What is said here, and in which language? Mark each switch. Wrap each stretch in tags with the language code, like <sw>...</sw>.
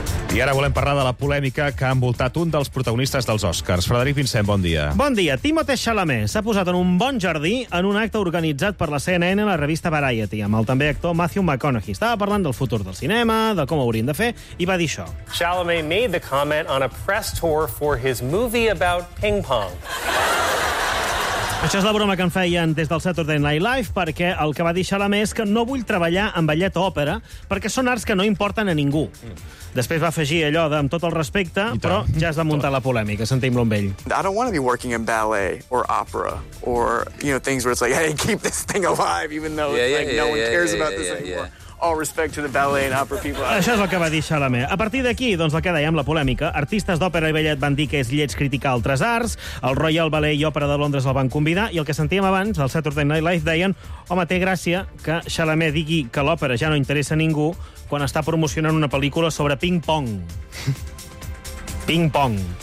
<ca>I ara volem parlar de la polèmica que ha envoltat un dels protagonistes dels Oscars. Frederic Vincent, bon dia. Bon dia. Timothée Chalamet s'ha posat en un bon jardí en un acte organitzat per la CNN a la revista Variety, amb el també actor Matthew McConaughey. Estava parlant del futur del cinema, de com ho haurien de fer, i va dir això.</ca> <en>Chalamet made the comment on a press tour for his movie about ping-pong.</en> <ca>Això és la broma que en feien des del Saturday Night Live, perquè el que va dir Chalamet és que no vull treballar en ballet o òpera perquè són arts que no importen a ningú. Després va afegir allò d'amb tot el respecte, però ja es va muntar la polèmica. Sentim-lo amb ell.</ca> <en>I don't want to be working in ballet or opera or, you know, things where it's like, hey, keep this thing alive, even though no one cares about this anymore. All respect to the ballet and opera people.</en> <ca>Això és el que va dir Chalamet. A partir d'aquí, doncs, va quedar ja amb la polèmica. Artistes d'òpera i ballet van dir que és lleig criticar altres arts, el Royal Ballet i Òpera de Londres el van convidar, i el que sentíem abans, el Saturday Night Live, deien, home, té gràcia que Chalamet digui que l'òpera ja no interessa a ningú quan està promocionant una pel·lícula sobre ping-pong. Ping-pong.</ca>